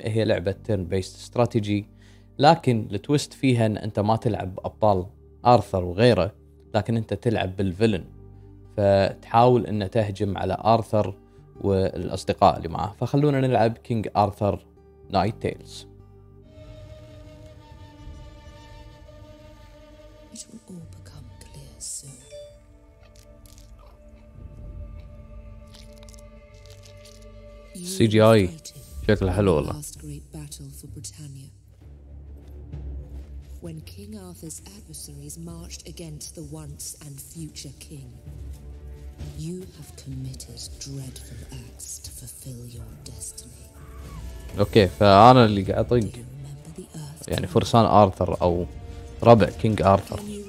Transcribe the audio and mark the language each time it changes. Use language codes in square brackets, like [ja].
[ar] هي لعبة تيرن بيست استراتيجي، لكن التويست فيها أن أنت ما تلعب أبطال آرثر وغيره، لكن أنت تلعب بالفيلن، فتحاول أن تهجم على آرثر والأصدقاء اللي معه. فخلونا نلعب كينج آرثر نايت تيلز. [en] It will all become clear soon. [ar] CGI شكله حلو والله. [en] Last great battle for Britannia. When King Arthur's adversaries marched against the once and future king, you have committed dreadful acts to fulfill your destiny. [ar] Okay, فأنا اللي قاعد أطق يعني فرسان آرثر أو ربع كينج آرثر.